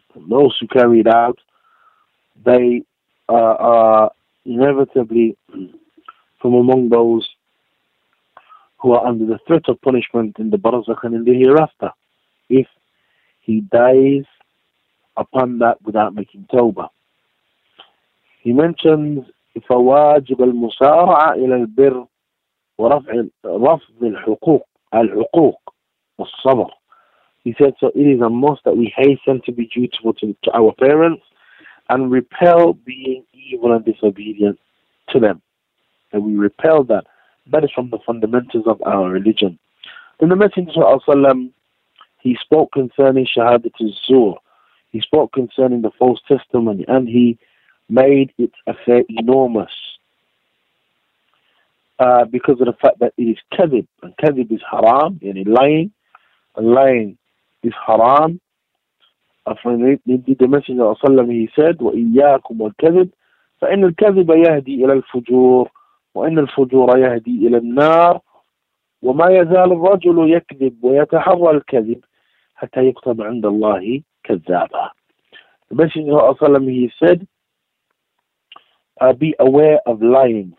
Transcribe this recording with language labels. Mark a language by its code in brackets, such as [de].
[en] And those who carry it out, they are inevitably from among those who are under the threat of punishment in the barzakh and in the hereafter, if he dies upon that without making tawbah. He mentions, [ar] فواجب المسارعة إلى البر ورفض الحقوق الحقوق والصبر. [en] He said, so it is a must that we hasten to be dutiful to our parents and repel being evil and disobedient to them. And we repel that. That is from the fundamentals of our religion. In the Messenger of Allah, he spoke concerning Shahadat al-Zur. He spoke concerning the false testimony and he made its affair enormous. Because of the fact that it is kadhib, and kadhib is haram, yani lying, and lying is haram. Indeed, the Messenger of Allah, he said, [ar] وَإِيَّاكُمْ وَالْكَذِبِ فَإِنَّ الْكَذِبَ يَهْدِي إِلَى الْفُجُورِ وَإِنَّ الْفُجُورَ يَهْدِي إِلَى النَّارِ وَمَا يَزَالُ الرَّجُلُ يَكْذِبُ وَيَتَحَرَّى الْكَذِبَ حَتَّى يُكْتَبَ عِنْدَ اللَّهِ كَذَّابًا. [en] The Messenger of Allah, he said, be aware of lying.